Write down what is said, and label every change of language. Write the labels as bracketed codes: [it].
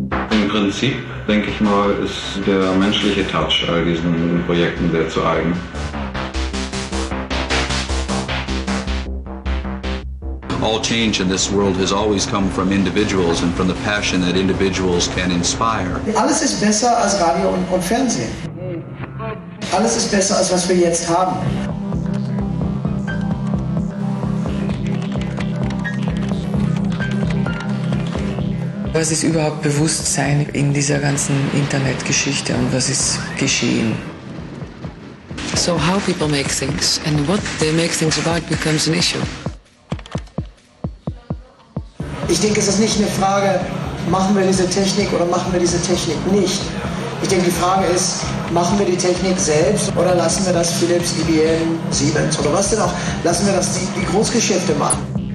[de] Im Prinzip, denke ich mal, ist der menschliche Touch all diesen Projekten sehr zu eigen. [en] All change in this world has always come from individuals and from the passion that individuals can inspire. [de] Alles ist besser als Radio und Fernsehen. Alles ist besser als was wir jetzt haben. Was ist überhaupt Bewusstsein in dieser ganzen Internetgeschichte und was ist geschehen? [en] So how people make things and what they make things about becomes an issue. [de] Ich denke, es ist nicht eine Frage, machen wir diese Technik oder machen wir diese Technik nicht. Ich denke, die Frage ist, machen wir die Technik selbst oder lassen wir das Philips, IBM, Siemens oder was denn auch, lassen wir das die Großgeschäfte machen.